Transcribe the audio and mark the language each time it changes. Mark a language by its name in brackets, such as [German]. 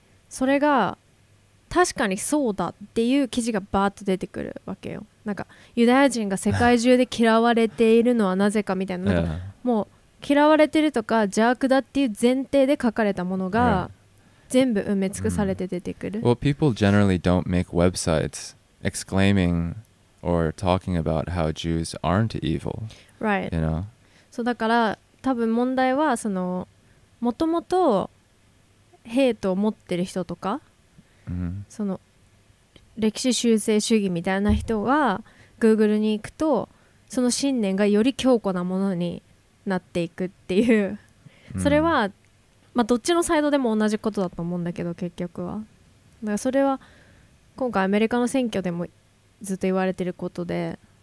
[Japanese] それが確かにそうだっていう記事がバーッと出てくるわけよ。なんかユダヤ人が世界中で嫌われているのはなぜかみたい な, なんかもう嫌われてるとか邪悪だっていう前提で書かれたものが全部埋め尽くされて出てくる。 [English] Well, people generally don't make websites exclaiming or talking about how Jews aren't evil. Right. You know? [Japanese] そうだから多分問題はそのもともとヘイトを持ってる人とか、 mm-hmm. その歴史修正主義みたいな人が Google に行くとその信念がより強固なものになっていくっていう、それは、まあ、どっちのサイドでも同じことだと思うんだけど、結局はだからそれは今回アメリカの選挙でもずっと言われてることで、